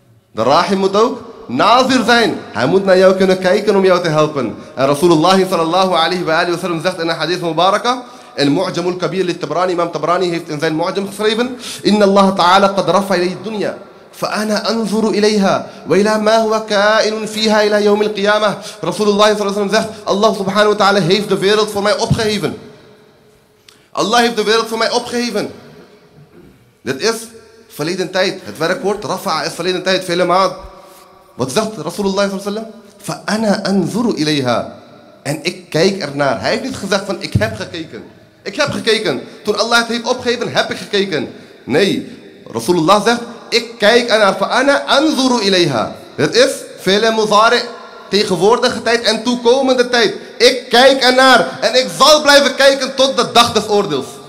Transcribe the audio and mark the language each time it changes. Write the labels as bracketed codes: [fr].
[nl] De rahim moet ook nazir zijn. Hij moet naar jou kunnen kijken om jou te helpen. En Rasulullah sallallahu alayhi wa sallam zegt in een hadith mubaraka, in Mu'jam al-Kabir li Tabrani, Imam Tabrani heeft in zijn Mu'jam geschreven, [ar] Inna Allah ta'ala qad rafa ilayhi dunya. فأنا أنظر إليها وإلى ما هو كائن فيها إلى يوم القيامة. [nl] رسول الله صلى الله عليه وسلم zegt, Allah subhanahu wa ta'ala heeft de wereld voor mij opgeheven. Allah heeft de wereld voor mij opgeheven. Dit is verleden tijd. Het werkwoord Rafa is verleden tijd, vele maanden. Wat zegt Rasulullah صلى الله عليه وسلم? [ar] فانا انظر اليها ان [nl] ik kijk ernaar. Hij heeft niet gezegd van ik heb gekeken. Ik heb gekeken. Toen Allah het heeft opgegeven, heb ik gekeken. Nee, Rasulullah zegt ik kijk ernaar. [ar] فانا انظر اليها. [nl] Dat is fi'l muzari, tegenwoordige tijd en toekomende tijd. Ik kijk ernaar en ik zal blijven kijken tot de dag des oordeels.